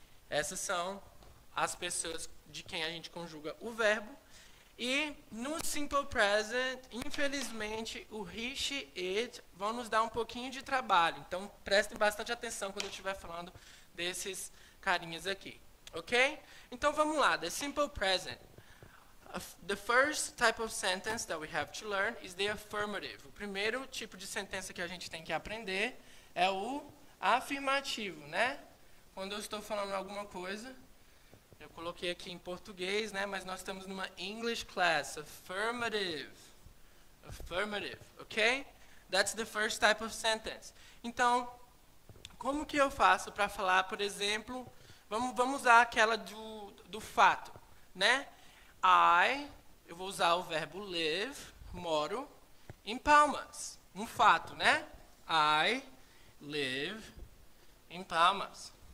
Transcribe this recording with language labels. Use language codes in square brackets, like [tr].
[pt] Essas são as pessoas de quem a gente conjuga o verbo. E no Simple Present, infelizmente, o he, she, it vão nos dar um pouquinho de trabalho. Então, prestem bastante atenção quando eu estiver falando desses carinhas aqui. Ok? Então, vamos lá. The Simple Present. [en] The first type of sentence that we have to learn is the affirmative. [pt] O primeiro tipo de sentença que a gente tem que aprender é o afirmativo, né? Quando eu estou falando alguma coisa, eu coloquei aqui em português, né? Mas nós estamos numa English class. [en] Affirmative. Affirmative. Ok? That's the first type of sentence. [pt] Então, como que eu faço para falar, por exemplo, vamos usar aquela do fato, né? I, eu vou usar o verbo live, moro, in Palmas. Um fato, né? [en] I live in Palmas.